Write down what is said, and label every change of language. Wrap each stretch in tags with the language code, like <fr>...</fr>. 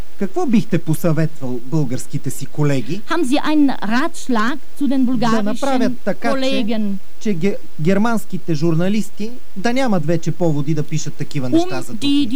<bg>Какво бихте посъветвал българските си колеги?</bg> <de>Haben Sie einen Ratschlag zu den bulgarischen Kollegen?</de> <bg>Да направят така, че германските журналисти да нямат вече поводи да пишат такива неща за Дупница.</bg>